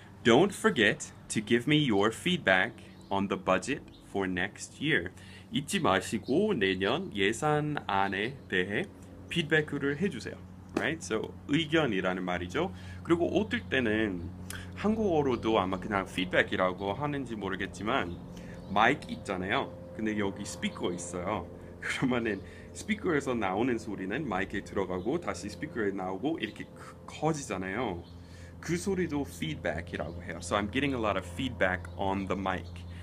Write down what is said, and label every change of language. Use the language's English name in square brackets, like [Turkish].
[English] Don't forget to give me your feedback on the budget for next year. [Korean] 잊지 마시고 내년 예산안에 대해 피드백을 해주세요. Right? So 의견이라는 말이죠. 그리고 어떨 때는 한국어로도 아마 그냥 피드백이라고 하는지 모르겠지만 마이크 있잖아요. 근데 여기 스피커 있어요. 그러면은 스피커에서 나오는 소리는 마이크에 들어가고 다시 스피커에 나오고 이렇게 커지잖아요. 그 소리도 피드백이라고 해요. [English] So I'm getting a lot of feedback on the mic.